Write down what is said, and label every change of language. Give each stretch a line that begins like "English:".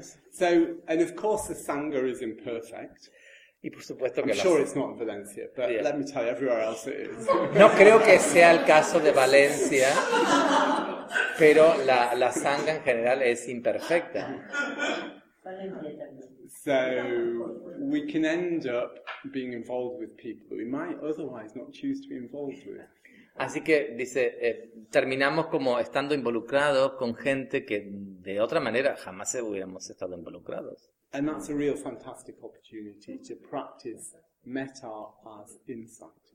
English: So, and of course the Sangha is imperfect.
Spanish: Y por supuesto que
English: I'm sure it's not in Valencia, but yeah. Let me tell you, everywhere else it is.
Spanish: No creo que sea el caso de Valencia, pero la Sangha en general es imperfecta.
English: So we can end up being involved with people we might otherwise not choose to be involved with.
Spanish: Así que dice, terminamos como estando involucrados con gente que de otra manera jamás hubiéramos estado involucrados.
English: And that's a real fantastic opportunity to practice metta as insight.